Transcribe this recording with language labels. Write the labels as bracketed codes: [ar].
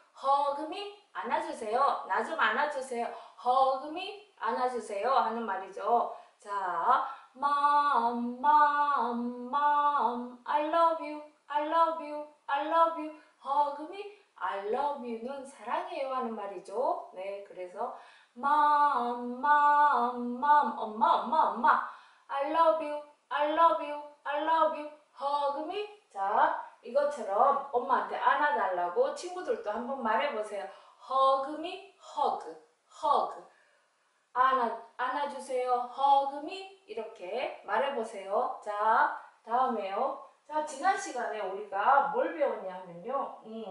[en] Hug me, [ko] 안아주세요. 나좀 안아주세요. [en] Hug me, [ko] 안아주세요. 하는 말이죠. [en] 자, mom, mom, mom, I love you, I love you, I love you. Hug me, I love you [ko] 는 사랑해요 하는 말이죠. 네, 그래서 [en] mom, mom, mom, [ko] 엄마, 엄마, 엄마. [en] I love you, I love you, I love you. Hug me. [ko] 자, 이것처럼 엄마한테 안아달라고 친구들도 한번 말해보세요. [en] Hug me, hug, hug. [ko] 안아주세요. [en] Hug me. [ko] 이렇게 말해보세요. 자, 다음에요. 자, 지난 시간에 우리가 뭘 배웠냐면요.